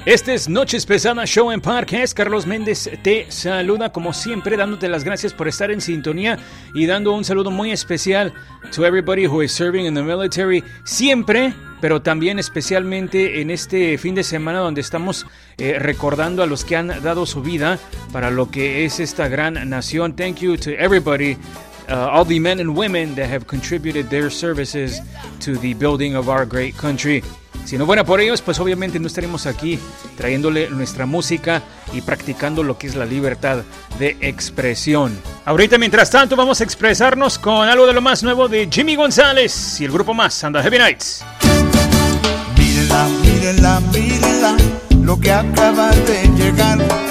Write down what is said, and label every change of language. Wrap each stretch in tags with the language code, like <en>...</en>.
<es>Este es Noches Pesadas Show en Parque. Es Carlos Méndez, te saluda como siempre dándote las gracias por estar en sintonía y dando un saludo muy especial</es> <en>to everybody who is serving in the military.</en> <es>Siempre pero también especialmente en este fin de semana donde estamos recordando a los que han dado su vida para lo que es esta gran nación.</es> <en>Thank you to everybody, all the men and women that have contributed their services to the building of our great country.</en> <es>Si no fuera por ellos, pues obviamente no estaríamos aquí trayéndole nuestra música y practicando lo que es la libertad de expresión. Ahorita, mientras tanto, vamos a expresarnos con algo de lo más nuevo de Jimmy González y el grupo Más, and the Heavy Nights. Mírenla, mírenla, mírenla, lo que acaba de llegar.</es>